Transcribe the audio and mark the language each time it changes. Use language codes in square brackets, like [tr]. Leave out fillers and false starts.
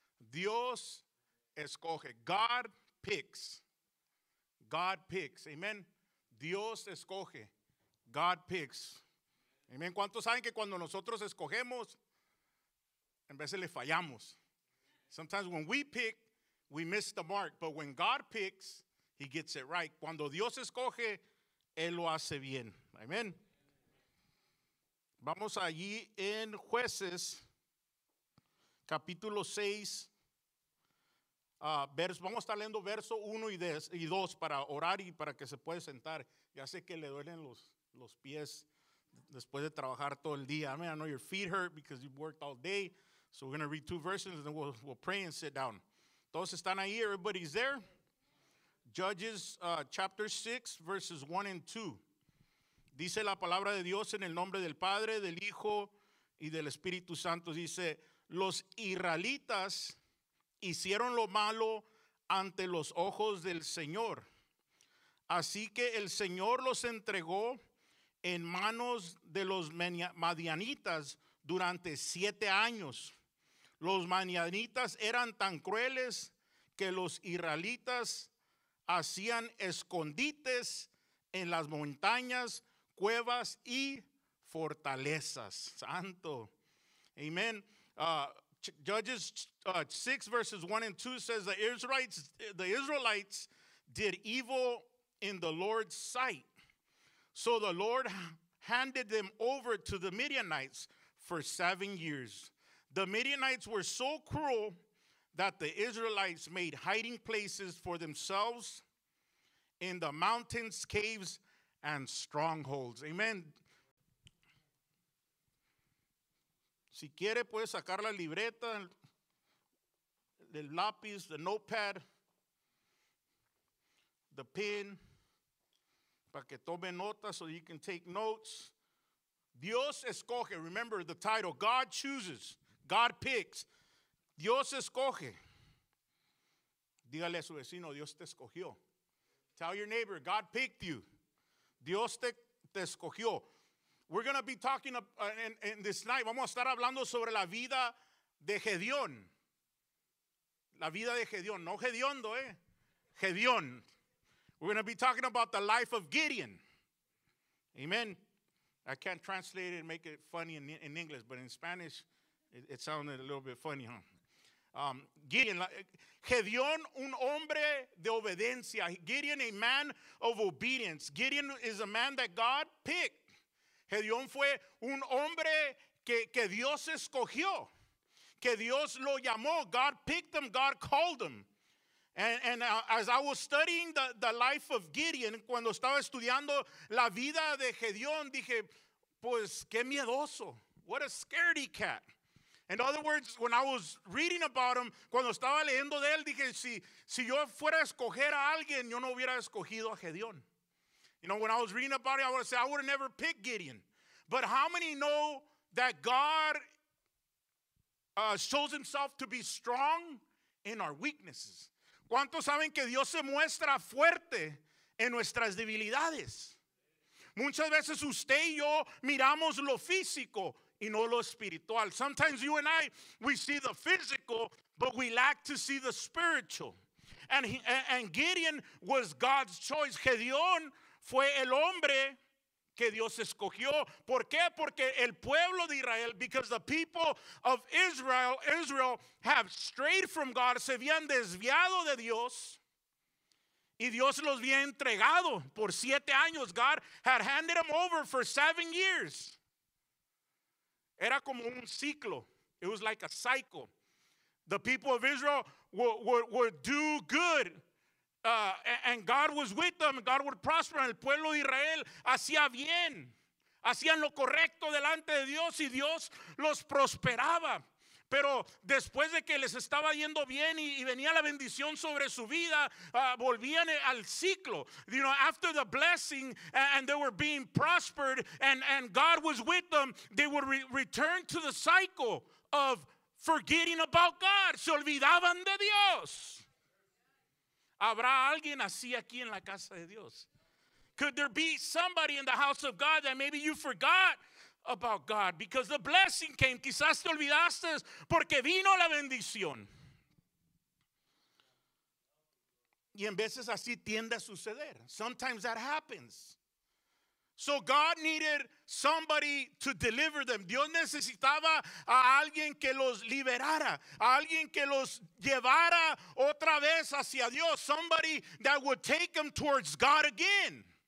[es] Dios escoge. [en] God picks. God picks. Amen. [es] Dios escoge. [en] God picks. [es] Amén. ¿Cuántos saben que cuando nosotros escogemos, en veces le fallamos? [en] Sometimes when we pick, we miss the mark. But when God picks, He gets it right. [es] Cuando Dios escoge, Él lo hace bien. Amén. Vamos allí en Jueces, capítulo 6. Vamos a estar leyendo verso 1 y 2 para orar y para que se pueda sentar. Ya sé que le duelen los pies después de trabajar todo el día. [en] I mean, I know your feet hurt because you've worked all day. So we're going to read two verses and then we'll pray and sit down. [es] Todos están ahí. [en] Everybody's there. Judges chapter 6, verses 1 and 2. [es] Dice la palabra de Dios en el nombre del Padre, del Hijo y del Espíritu Santo. Dice, los israelitas hicieron lo malo ante los ojos del Señor. Así que el Señor los entregó en manos de los madianitas durante 7 años. Los madianitas eran tan crueles que los israelitas hacían escondites en las montañas, cuevas y fortalezas. Santo. Amen. [en] Judges 6 verses 1 and 2 says the Israelites did evil in the Lord's sight. So the Lord handed them over to the Midianites for 7 years. The Midianites were so cruel that the Israelites made hiding places for themselves in the mountains, caves, and strongholds. Amen. [es] Si quiere, puede sacar la libreta, el lápiz, [en] the notepad, the pen. [es] Para que tome notas [en] so you can take notes. [es] Dios escoge. [en] Remember the title. God chooses. God picks. Dios escoge. [es] Dígale a su vecino, Dios te escogió. [en] Tell your neighbor, God picked you. [es] Dios te escogió. [en] We're going to be talking in this night. [es] Vamos a estar hablando sobre la vida de Gedeón. La vida de Gedeón. No Gedeondo, Gedeón. [en] We're going to be talking about the life of Gideon. Amen. I can't translate it and make it funny in English, but in Spanish, it sounded a little bit funny, huh? [es] Gideon, Gedeón, un hombre de obediencia. [en] Gideon, a man of obedience. Gideon is a man that God picked. [es] Gedeón fue un hombre que Dios escogió, que Dios lo llamó. [en] God picked him, God called him. And as I was studying the life of Gideon, [es] cuando estaba estudiando la vida de Gedeón, dije, pues, qué miedoso. [en] What a scaredy cat. In other words, when I was reading about him, [es] cuando estaba leyendo de él, dije, si yo fuera a escoger a alguien, yo no hubiera escogido a Gedeón. [en] You know, when I was reading about him, I would say, I would have never picked Gideon. But how many know that God shows himself to be strong in our weaknesses? [es] ¿Cuántos saben que Dios se muestra fuerte en nuestras debilidades? Muchas veces usted y yo miramos lo físico y no lo espiritual. [en] Sometimes you and I, we see the physical, but we lack to see the spiritual. And Gideon was God's choice. [es] Gedeón fue el hombre que Dios escogió. ¿Por qué? Porque el pueblo de Israel, [en] because the people of Israel have strayed from God, [es] se habían desviado de Dios, y Dios los había entregado por 7 años. [en] God had handed them over for 7 years. [es] Era como un ciclo. [en] It was like a cycle. The people of Israel would do good. And God was with them. God would prosper. [es] El pueblo de Israel hacía bien. Hacían lo correcto delante de Dios y Dios los prosperaba. Pero después de que les estaba yendo bien y venía la bendición sobre su vida, volvían al ciclo. [en] You know, after the blessing and they were being prospered and God was with them, they would return to the cycle of forgetting about God. [es] Se olvidaban de Dios. ¿Habrá alguien así aquí en la casa de Dios? [en] Could there be somebody in the house of God that maybe you forgot about God because the blessing came? [es] Quizás te olvidaste porque vino la bendición. Y en veces así tiende a suceder. [en] Sometimes that happens. So God needed somebody to deliver them. [es] Dios necesitaba a alguien que los liberara, a alguien que los llevara otra vez hacia Dios. [en] Somebody that would take them towards God again.